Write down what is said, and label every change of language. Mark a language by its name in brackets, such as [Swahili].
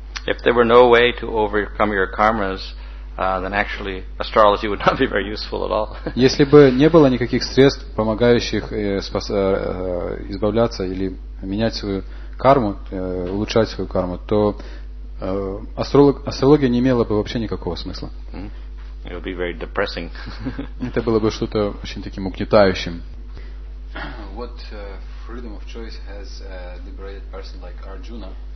[English] If there were no way to overcome your karmas, then actually astrology would not be very useful at all. [Russian] Если бы не было никаких средств, помогающих избавляться или менять свою карму, улучшать свою карму, то астрология не имела бы вообще никакого смысла. [English] It would be very depressing. [Russian] Это было бы что-то очень таким угнетающим. [English] What freedom of choice has a liberated person like Arjuna?